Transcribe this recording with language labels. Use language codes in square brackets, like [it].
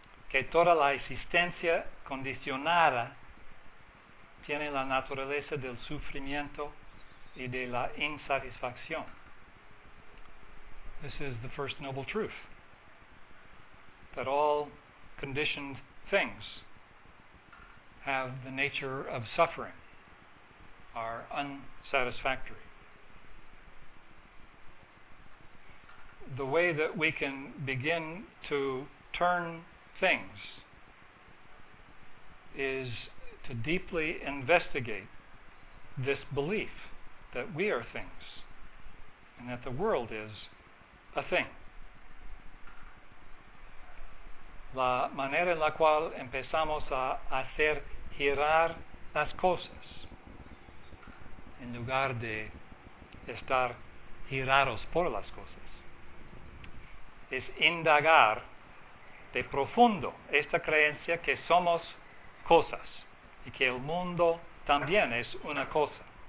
[es] Que toda la existencia condicionada tiene la naturaleza del sufrimiento y de la insatisfacción. [en] This is the first noble truth. That all conditioned things have the nature of suffering, are unsatisfactory. The way that we can begin to turn things is to deeply investigate this belief that we are things and that the world is a thing. [es] La manera en la cual empezamos a hacer girar las cosas en lugar de estar girados por las cosas es indagar de profundo esta creencia que somos cosas y que el mundo también es una cosa.